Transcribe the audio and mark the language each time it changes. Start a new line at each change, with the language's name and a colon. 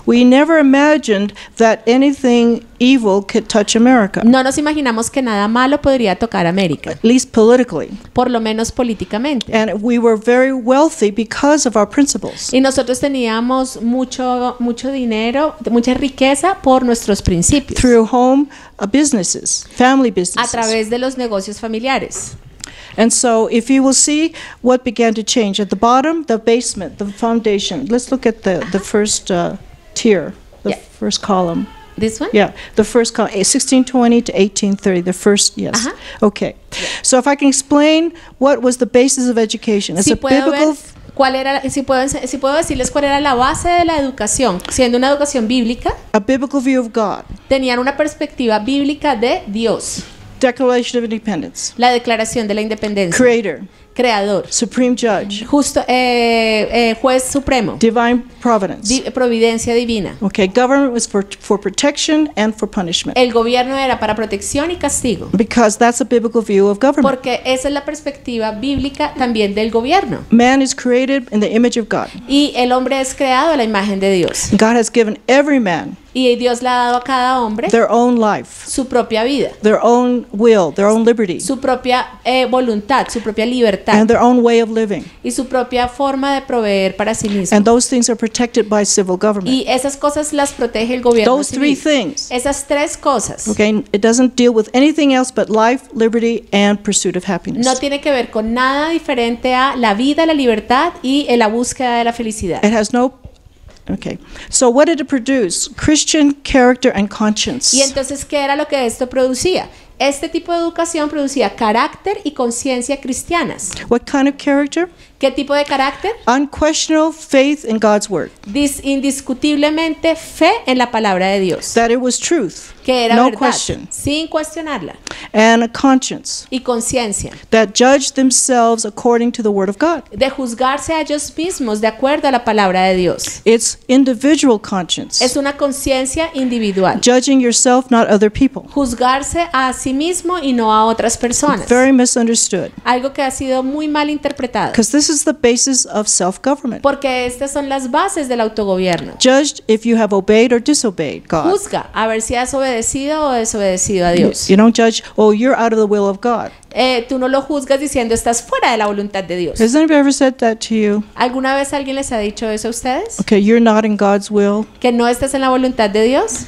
English: We never imagined that anything evil could touch America.
Spanish: No nos imaginamos que nada malo podría tocar América.
English: At least politically.
Spanish: Por lo menos políticamente.
English: And we were very wealthy because of our principles.
Spanish: Y nosotros teníamos mucho dinero, mucha riqueza por nuestros principios.
English: Through home businesses, family businesses.
Spanish: A través de los negocios familiares.
English: And so if you will see what began to change at the bottom, the basement, the foundation. Let's look at the first tier, first column. This one? Yeah, the first column, 1620 to 1830, the first, yes. Uh-huh. Okay, yeah. So if I can explain what was the basis of education. It's
Spanish: si
English: a biblical...
Spanish: Si puedo decirles cuál era la base de la educación, siendo una educación bíblica.
English: A biblical view of God.
Spanish: Tenían una perspectiva bíblica de Dios.
English: Declaration of Independence.
Spanish: La declaración de la independencia.
English: Creator.
Spanish: Creador.
English: Supreme Judge.
Spanish: Justo, juez supremo.
English: Divine Providence.
Spanish: Providencia divina.
English: Okay, government was for protection and for punishment.
Spanish: El gobierno era para protección y castigo.
English: Because that's a biblical view of government.
Spanish: Porque esa es la perspectiva bíblica también del gobierno.
English: Man is created in the image of God.
Spanish: Y el hombre es creado a la imagen de Dios.
English: God has given every man.
Spanish: Y Dios le ha dado a cada hombre
English: their own life,
Spanish: su propia vida,
English: their own will, their own liberty,
Spanish: su propia voluntad, su propia libertad,
English: and their own way of living,
Spanish: y su propia forma de proveer para sí mismo.
English: And those things are protected by civil government.
Spanish: Y esas cosas las protege el gobierno
English: those
Spanish: civil.
English: Three things,
Spanish: esas tres cosas.
English: Okay, it doesn't deal with anything else but life, liberty, and pursuit of happiness.
Spanish: No tiene que ver con nada diferente a la vida, la libertad y la búsqueda de la felicidad.
English: It has no. Okay. So what did it produce? Christian character and conscience.
Spanish: Y entonces, ¿qué era lo que esto producía? Este tipo de educación producía carácter y conciencia cristianas.
English: What kind of character?
Spanish: ¿Qué tipo de carácter?
English: Unquestionable faith in God's word.
Spanish: Indiscutiblemente fe en la palabra de Dios.
English: That it was truth.
Spanish: Que era no verdad.
English: Question.
Spanish: Sin cuestionarla.
English: And a conscience.
Spanish: Y conciencia.
English: That judged themselves according to the word of God.
Spanish: De juzgarse a ellos mismos de acuerdo a la palabra de Dios.
English: It's individual conscience.
Spanish: Es una conciencia individual.
English: Judging yourself, not other people.
Spanish: Juzgarse a sí mismo y no a otras personas.
English: Very misunderstood.
Spanish: Algo que ha sido muy mal interpretado.
English: This is the basis of self-government.
Spanish: Porque estas son las bases del autogobierno.
English: Judge if you have obeyed or disobeyed God.
Spanish: Juzga a ver si has obedecido o desobedecido a Dios.
English: You don't judge, oh, you're out of the will of God.
Spanish: Tú no lo juzgas diciendo estás fuera de la voluntad de Dios.
English: Has anybody ever said that to you?
Spanish: ¿Alguna vez alguien les ha dicho eso a ustedes?
English: Okay, you're not in God's will.
Spanish: Que no estás en la voluntad de Dios.